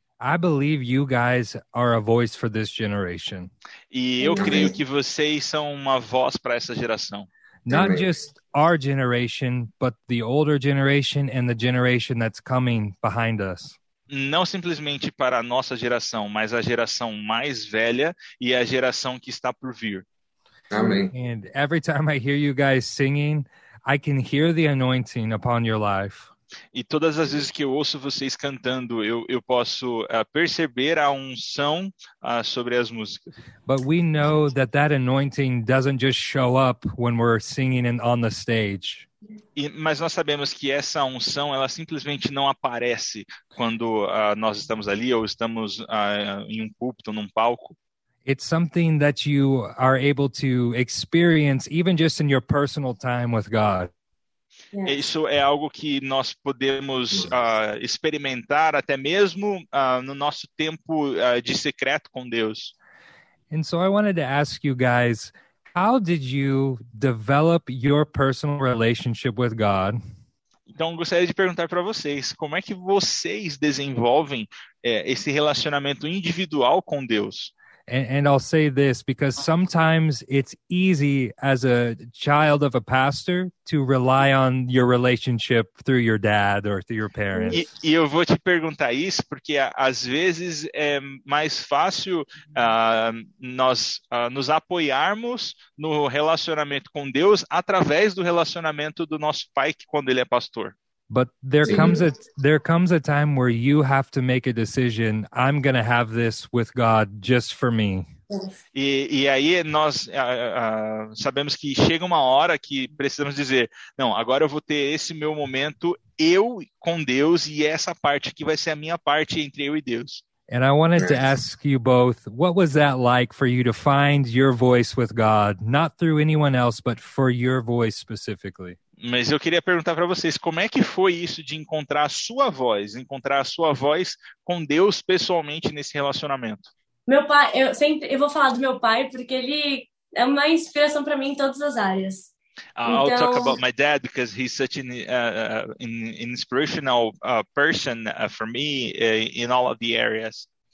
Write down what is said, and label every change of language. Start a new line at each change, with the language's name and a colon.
English: I believe you guys are a voice for this generation.
Portuguese: E eu creio Amém. que vocês são uma voz para essa geração.
English: Not just our generation, but the older generation and the generation that's coming behind us.
Portuguese: Não simplesmente para a nossa geração, mas a geração mais velha e a geração que está por vir. Amém.
English: And every time I hear you guys singing, I can hear the anointing upon your life.
Portuguese: E todas as vezes que eu ouço vocês cantando, eu posso perceber a unção sobre as músicas.
English: But we know that that anointing doesn't just show up when we're singing and on the stage.
Portuguese: Mas nós sabemos que essa unção, ela simplesmente não aparece quando nós estamos ali ou estamos em um púlpito, num palco.
English: It's something that you are able to experience even just in your personal time with God.
Portuguese: Isso é algo que nós podemos experimentar até mesmo no nosso tempo de secreto com Deus.
English: And so I wanted to ask you guys, how did you develop your personal relationship with God?
Portuguese: Então, gostaria de perguntar para vocês, como é que vocês desenvolvem esse relacionamento individual com Deus?
English: And I'll say this because sometimes it's easy as a child of a pastor to rely on your relationship through your dad or through your
Portuguese: E
English: parents.
Portuguese: eu vou te perguntar isso porque às vezes é mais fácil nós nos apoiarmos no relacionamento com Deus através do relacionamento do nosso pai quando ele é pastor.
English: But there comes a time where you have to make a decision. I'm going to have this with God just for me.
Portuguese: E aí nós sabemos que chega uma hora que precisamos dizer, não, agora eu vou ter esse meu momento, eu com Deus, e essa parte aqui vai ser a minha parte entre eu e Deus.
English: And I wanted to ask you both, what was that like for you to find your voice with God, not through anyone else, but for your voice specifically?
Portuguese: Mas eu queria perguntar para vocês, como é que foi isso de encontrar a sua voz com Deus pessoalmente nesse relacionamento? Meu pai, eu vou falar do meu pai porque ele é uma inspiração para mim em todas as áreas.
English: I'll
Portuguese: Então,
English: talk about my dad because he's such an inspirational person for me in all of the areas.